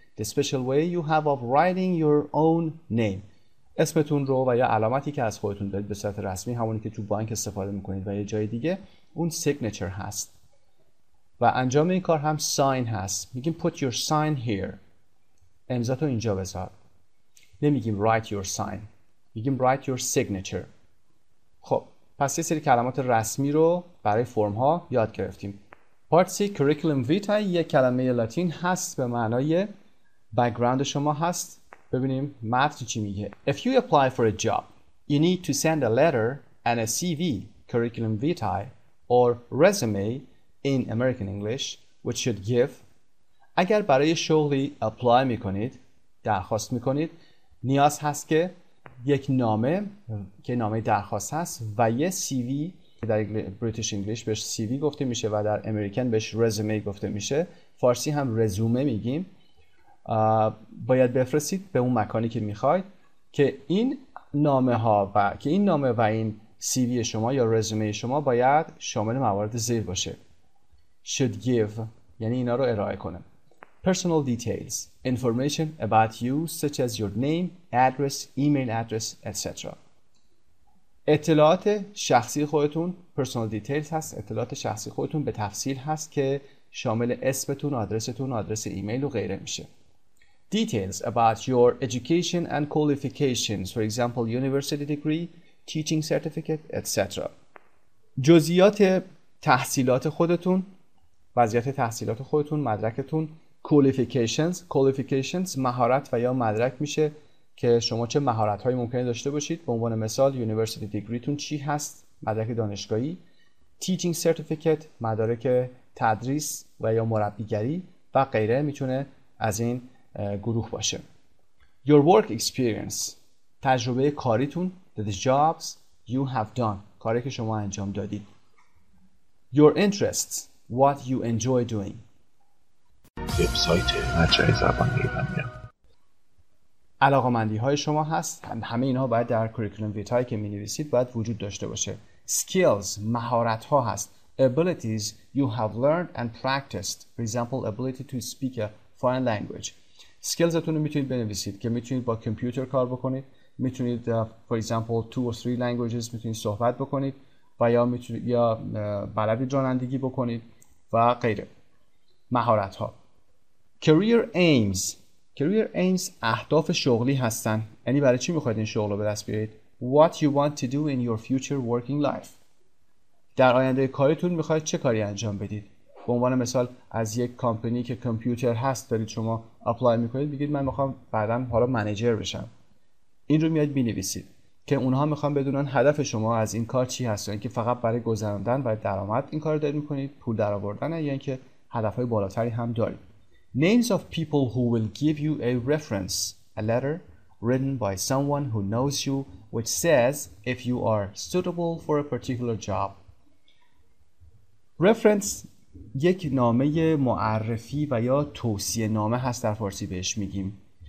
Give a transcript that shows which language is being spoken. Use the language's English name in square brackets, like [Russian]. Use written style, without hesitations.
[English] The special way you have of writing your own name. [Persian] اسمتون رو و یا علامتی که از خودتون دارید به صورت رسمی، همونی که تو بانک استفاده میکنید و یه جای دیگه، اون signature هست. و انجام این کار هم sign هست. میگیم [English] put your sign here. [Persian] امضا تو اینجا بذار. نمیگیم [English] write your sign. [Persian] میگیم [English] write your signature. [Persian] خب پس یه سری کلمات رسمی رو برای فرم ها یاد گرفتیم. Part C curriculum vitae یه کلمه لاتین هست به معنای background شما هست. ببینیم متن چی میگه. [English] If you apply for a job, you need to send a letter and a CV, curriculum vitae or resume in American English, which should give. [Persian] اگر برای شغلی apply میکنید، درخواست میکنید، نیاز هست که یک نامه که نامه درخواست هست و یه CV که در بریتیش انگلیش بهش CV گفته میشه و در امریکن بهش رزومه گفته میشه، فارسی هم رزومه میگیم، باید بفرستید به اون مکانی که میخواید که این نامه ها و که این نامه و این CV شما یا رزومه شما باید شامل موارد زیر باشه. [English] Should give [Persian] یعنی اینا رو ارائه کنه. [English] Personal details, information about you such as your name, address, email address, etc. [Persian] اطلاعات شخصی خودتون personal details هست. اطلاعات شخصی خودتون به تفصیل هست که شامل اسمتون، آدرستون، آدرس ایمیل و غیره میشه. [English] Details about your education and qualifications, for example university degree, teaching certificate, etc. [Persian] جزئیات تحصیلات خودتون، وضعیت تحصیلات خودتون، مدرکتون. Qualifications. Qualifications مهارت و یا مدرک میشه که شما چه مهارت هایی ممکنه داشته باشید. به عنوان مثال [English] University degree [Persian] تون چی هست؟ مدرک دانشگاهی. [English] Teaching certificate [Persian] مدارک تدریس و یا مربیگری و غیره میتونه از این گروه باشه. [English] Your work experience [Persian] تجربه کاریتون. [English] The jobs you have done [Persian] کاری که شما انجام دادید. [English] Your interests what you enjoy doing [Persian] وبسایت مجله زبان ایرانی. علاقمندی های شما هست، همه اینها باید در کوریکولوم ویتای که می نویسید باید وجود داشته باشه. Skills مهارت ها هست. [English] Abilities you have learned and practiced, for example ability to speak a foreign language. [Persian] Skills هاتون رو می توانید بنویسید که می توانید با کمپیوتر کار بکنید، می توانید [English] for example two or three languages [Persian] می توانید صحبت بکنید و یا بلد رانندگی بکنید و غیره. مهارت ها. [English] Career aims. [Persian] Career aims اهداف شغلی هستن، یعنی برای چی میخواید این شغل رو به دست بیارید. [English] What you want to do in your future working life. [Persian] در آینده کاریتون میخواید چه کاری انجام بدید. به عنوان مثال از یک کمپانی که کامپیوتر هست دارید شما اپلای میکنید، میگید من میخوام بعدم حالا منیجر بشم. این رو میاد بنویسید که اونها میخوان بدونن هدف شما از این کار چی هست، اینکه فقط برای گذراندن و درآمد این کارو دارید میکنید، پول درآوردن، یا اینکه هدفهای بالاتری هم دارید. [English] Names of people who will give you a reference, a letter written by someone who knows you which says if you are suitable for a particular job. [Persian] Reference یک نامه معرفی و یا توصیه نامه هست در فارسی بهش میگیم.